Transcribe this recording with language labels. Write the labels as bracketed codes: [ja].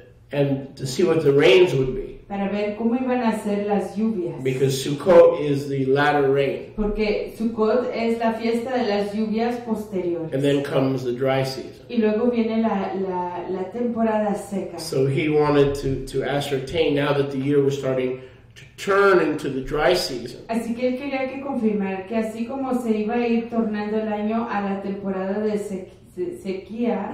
[en] And to see what the rains would be. [es] Para ver cómo iban a ser las lluvias. [en] Because Sukkot is the latter rain. [es] Porque Sukkot es la fiesta de las lluvias posteriores. [en] And then comes the dry season. [es] Y luego viene la temporada seca. [en] So he wanted to ascertain now that the year was starting to turn into the dry season. [es] Así que él quería que confirmar que así como se iba a ir tornando el año a la temporada de sequía.